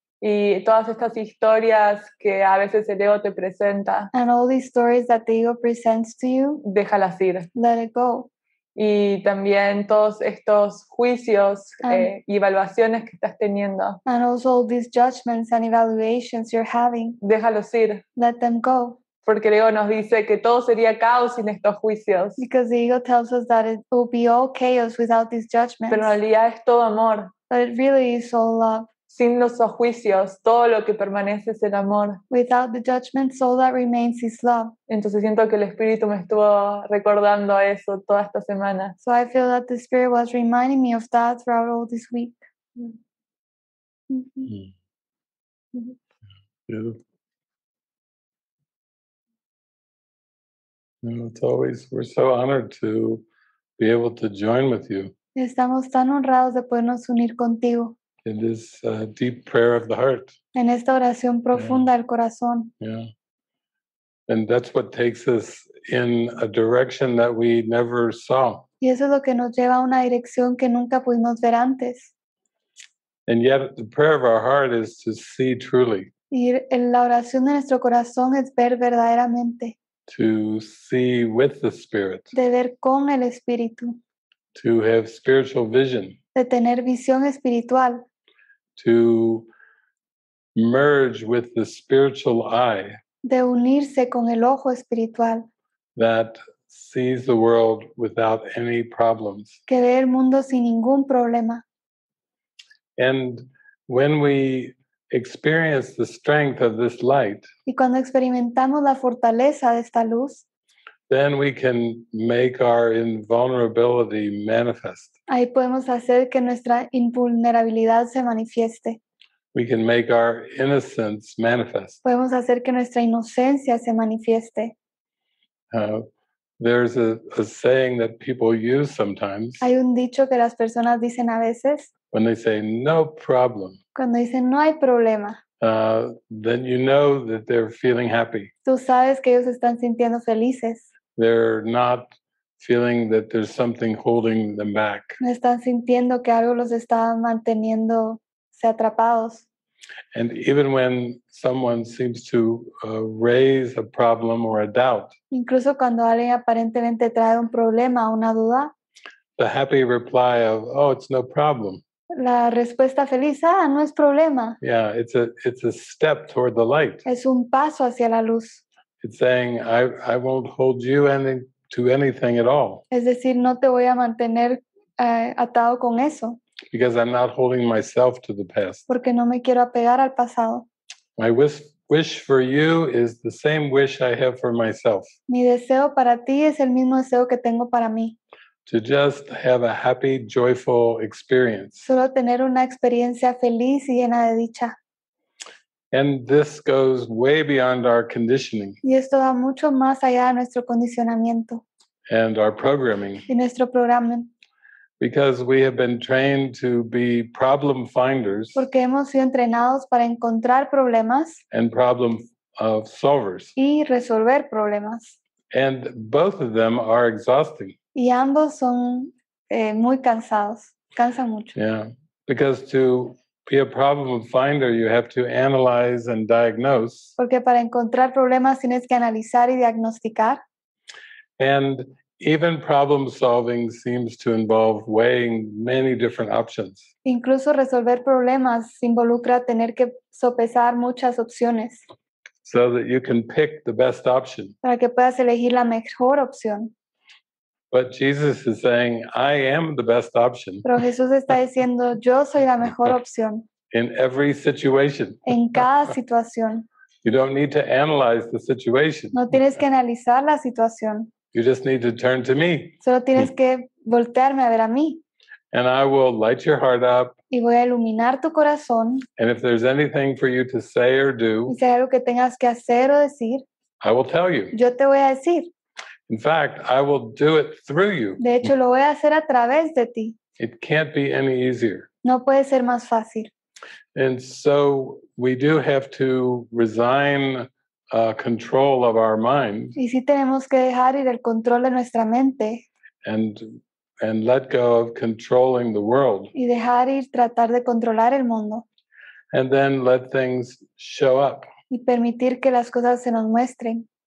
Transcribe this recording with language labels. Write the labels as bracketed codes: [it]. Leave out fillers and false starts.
[es] Y todas estas historias que a veces el ego te presenta. [en] And all these stories that the ego presents to you. [es] Déjalas ir. [en] Let it go. [es] Y también todos estos juicios y evaluaciones que estás teniendo. [en] And also all these judgments and evaluations you're having. [es] Déjalos ir. [en] Let them go. [es] Porque el ego nos dice que todo sería caos sin estos juicios. [en] Because the ego tells us that it will be all chaos without these judgments. [es] Pero en realidad es todo amor. [en] But it really is all love. [es] Sin los juicios, todo lo que permanece es el amor. [en] Without the judgments, all that remains is love. [es] Entonces siento que el Espíritu me estuvo recordando eso toda esta semana. [en] So I feel that the Spirit was reminding me of that throughout all this week. Mm-hmm. Yeah. It's always, we're so honored to be able to join with you. [es] Estamos tan honrados de podernos unir contigo. [en] In this deep prayer of the heart. [es] En esta oración profunda del corazón. Yeah. [en] And that's what takes us in a direction that we never saw. [es] Y eso es lo que nos lleva a una dirección que nunca pudimos ver antes. [en] And yet the prayer of our heart is to see truly. [es] Y la oración de nuestro corazón es ver verdaderamente. [en] To see with the Spirit. [es] De ver con el Espíritu. [en] To have spiritual vision. [es] De tener visión espiritual. [en] To merge with the spiritual eye. [es] De unirse con el ojo espiritual. [en] That sees the world without any problems. [es] Que ve el mundo sin ningún problema. [en] And when we experience the strength of this light. [es] Y cuando experimentamos la fortaleza de esta luz. [en] then we can make our invulnerability manifest. [es] Ahí podemos hacer que nuestra invulnerabilidad se manifieste. [en] We can make our innocence manifest. [es] Podemos hacer que nuestra inocencia se manifieste. [en] There's a saying that people use sometimes. [es] Hay un dicho que las personas dicen a veces. [en] When they say no problem. [es] Cuando dicen no hay problema. [en] Then you know that they're feeling happy. [es] Tú sabes que ellos están sintiendo felices. [en] They're not feeling that there's something holding them back. [es] No están sintiendo que algo los está manteniendo atrapados. [en] And even when someone seems to raise a problem or a doubt. [es] Incluso cuando alguien aparentemente trae un problema o una duda. [en] The happy reply of, oh, it's no problem. [es] La respuesta feliz, ah, no es problema. [en] Yeah, it's a step toward the light. [es] Es un paso hacia la luz. [en] It's saying, I won't hold you to anything at all. [es] Es decir, no te voy a mantener atado con eso. [en] Because I'm not holding myself to the past. [es] Porque no me quiero apegar al pasado. [en] My wish for you is the same wish I have for myself. [es] Mi deseo para ti es el mismo deseo que tengo para mí. [en] To just have a happy, joyful experience. [es] Solo tener una experiencia feliz y llena de dicha. [en] And this goes way beyond our conditioning. [es] Y esto va mucho más allá de nuestro condicionamiento. [en] And our programming. [es] Y nuestro programming. [en] Because we have been trained to be problem finders. [es] Porque hemos sido entrenados para encontrar problemas. [en] And problem solvers. [es] Y resolver problemas. [en] And both of them are exhausting. [es] Y ambos son muy cansados. Cansan mucho. [en] Yeah, because to be a problem finder, you have to analyze and diagnose. [es] Porque para encontrar problemas tienes que analizar y diagnosticar. [en] And even problem solving seems to involve weighing many different options. [es] Incluso resolver problemas involucra tener que sopesar muchas opciones. [en] So that you can pick the best option. [es] Para que puedas elegir la mejor opción. [en] But Jesus is saying, I am the best option. [es] Pero Jesús está diciendo, yo soy la mejor opción. [en] In every situation. [es] En cada situación. [en] You don't need to analyze the situation. [es] No tienes que analizar la situación. [en] You just need to turn to me. [es] Solo tienes que voltearme a ver a mí. [en] And I will light your heart up. [es] Y voy a iluminar tu corazón. [en] And if there's anything for you to say or do. [es] Y si hay algo que tengas que hacer o decir. [en] I will tell you. [es] Yo te voy a decir. [en] In fact, I will do it through you. [es] De hecho, lo voy a hacer a través de ti. [en] It can't be any easier. [es] No puede ser más fácil. [en] And so we do have to resign control of our mind. [es] Y sí tenemos que dejar ir el control de nuestra mente. [en] And let go of controlling the world. [es] Y dejar ir tratar de controlar el mundo. [en] And then let things show up. [es] Y permitir que las cosas se nos muestren.